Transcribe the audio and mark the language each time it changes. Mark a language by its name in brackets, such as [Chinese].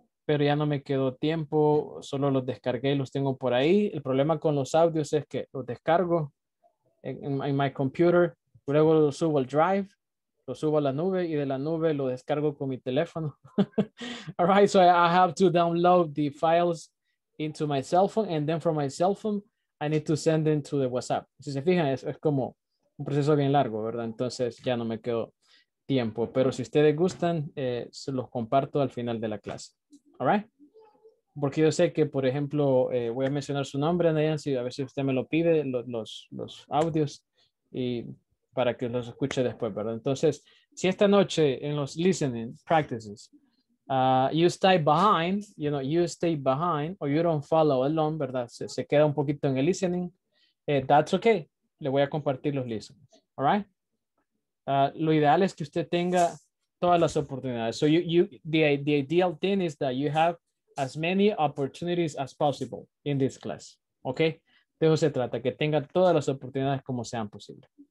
[Spanish] Pero ya no me quedó tiempo. Solo los descargué y los tengo por ahí. El problema con los audios es que los descargo en [English] my computer. [Spanish] Luego los subo al drive. Los subo a la nube. Y de la nube lo descargo con mi teléfono. [English] All right? So I have to download the files into my cell phone, and then from my cell phone, I need to send them to the WhatsApp. [Spanish] Si se fijan, es como un proceso bien largo, ¿verdad? Entonces ya no me quedo tiempo, pero si ustedes gustan, se los comparto al final de la clase. [English] All right? [Spanish] Porque yo sé que, por ejemplo, voy a mencionar su nombre, Nayan, si a veces usted me lo pide, los audios, y para que los escuche después, ¿verdad? Entonces, si esta noche en los listening practices, [English] you stay behind, you know, you stay behind, or you don't follow along, ¿verdad? [Spanish] Se queda un poquito en el listening. [English] That's okay. [Spanish] Le voy a compartir los listening. [English] All right? [Spanish] Lo ideal es que usted tenga todas las oportunidades. [English] So the ideal thing is that you have as many opportunities as possible in this class. Okay? [Spanish] De eso se trata, que tenga todas las oportunidades como sean posible.